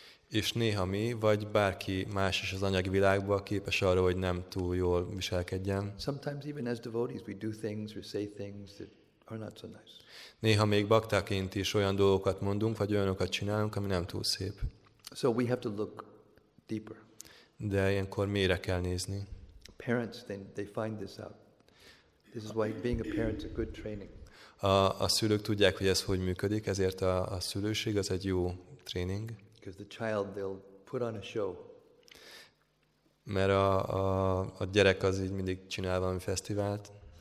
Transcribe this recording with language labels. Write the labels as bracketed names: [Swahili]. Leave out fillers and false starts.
[Hungarian] És néha mi, vagy bárki más is az anyagi világban képes arra, hogy nem túl jól viselkedjen. [English] Sometimes even as devotees we do things or say things that are not so nice. [Hungarian] Néha még baktáként is olyan dolgokat mondunk, vagy olyanokat csinálunk, ami nem túl szép. [English] So we have to look deeper. [Hungarian] De ilyenkor mélyre kell nézni. [English] Parents, they find this out. This is why being a parent is a good training. [Hungarian] A szülők tudják, hogy ez hogy működik, ezért a szülőség az egy jó tréning. [English] Because the child, they'll put on a show. [Hungarian] Mert a gyerek az így mindig csinál valami fesztivált.